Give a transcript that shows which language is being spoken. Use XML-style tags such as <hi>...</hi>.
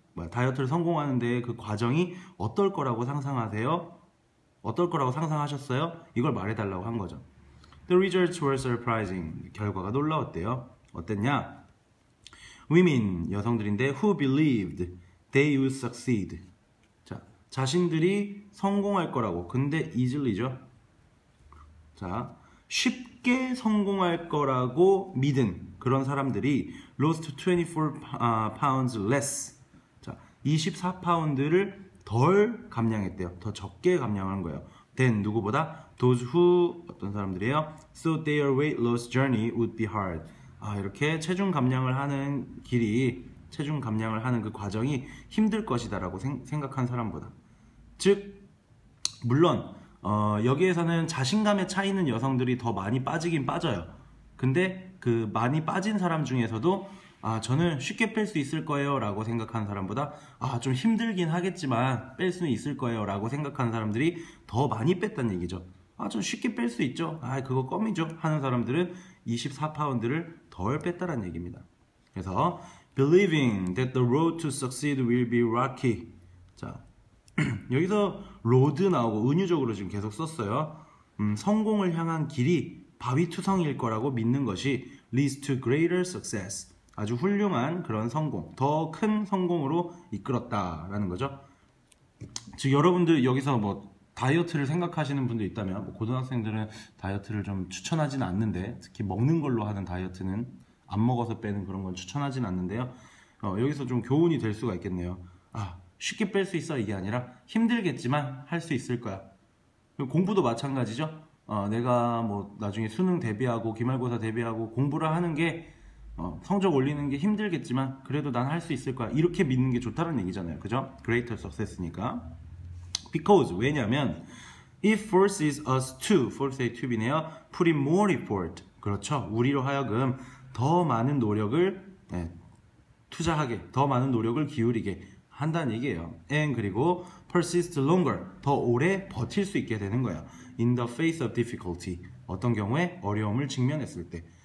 <ko>다이어트를 성공하는데 그 과정이 어떨 거라고 상상하세요? 어떨 거라고 상상하셨어요? 이걸 말해달라고 한 거죠.</ko> <en>The results were surprising.</en> <ko>결과가 놀라웠대요. 어땠냐?</ko> <en>Women,</en> <ko>여성들인데,</ko> <en>who believed they would succeed.</en> <ko>자, 자신들이 성공할 거라고. 근데 easily죠. 자, 쉽게 성공할 거라고 믿은 그런 사람들이</ko> <en>lost 24 pounds less.</en> <ko>자, 24파운드를 덜 감량했대요. 더 적게 감량한 거예요.</ko> <en>Then</en> <ko>누구보다?</ko> <en>Those who,</en> <ko>어떤 사람들이에요?</ko> <en>So their weight loss journey would be hard.</en> <ko>아, 이렇게 체중 감량을 하는 길이, 체중 감량을 하는 그 과정이 힘들 것이다라고 생각한 사람보다. 즉, 물론, 여기에서는 자신감에 차 있는 여성들이 더 많이 빠지긴 빠져요. 근데 그 많이 빠진 사람 중에서도, 아, 저는 쉽게 뺄수 있을 거예요 라고 생각하는 사람보다, 아, 좀 힘들긴 하겠지만 뺄 수는 있을 거예요 라고 생각하는 사람들이 더 많이 뺐단 얘기죠. 아, 저 쉽게 뺄수 있죠. 아, 그거 껌이죠 하는 사람들은 24파운드를 덜 뺐다란 얘기입니다. 그래서</ko> <en>believing that the road to succeed will be rocky.</en> <ko>자, 여기서 로드 나오고 은유적으로 지금 계속 썼어요. 성공을 향한 길이 바위투성일 거라고 믿는 것이</ko> <en>leads to greater success.</en> <ko>아주 훌륭한 그런 성공, 더큰 성공으로 이끌었다라는 거죠. 즉, 여러분들 여기서 뭐 다이어트를 생각하시는 분도 있다면, 뭐 고등학생들은 다이어트를 좀 추천하진 않는데, 특히 먹는 걸로 하는 다이어트는 안 먹어서 빼는 그런 건 추천하진 않는데요. 여기서 좀 교훈이 될 수가 있겠네요. 아, 쉽게 뺄수 있어, 이게 아니라 힘들겠지만 할수 있을 거야. 공부도 마찬가지죠. 내가 뭐 나중에 수능 대비하고 기말고사 대비하고 공부를 하는 게 성적 올리는 게 힘들겠지만 그래도 난할수 있을 거야, 이렇게 믿는 게 좋다는 얘기잖아요, 그죠?</ko> <en>Greater success니까. Because,</en> <ko>왜냐면</ko> <en>it forces us to, force의 tube이네요, put in more effort.</en> <ko>그렇죠, 우리로 하여금 더 많은 노력을, 네, 투자하게, 더 많은 노력을 기울이게 한다는 얘기예요.</ko> <en>And</en> <ko>그리고</ko> <en>persist longer,</en> <ko>더 오래 버틸 수 있게 되는 거예요.</ko> <en>In the face of difficulty,</en> <ko>어떤 경우에 어려움을 직면했을 때.</ko>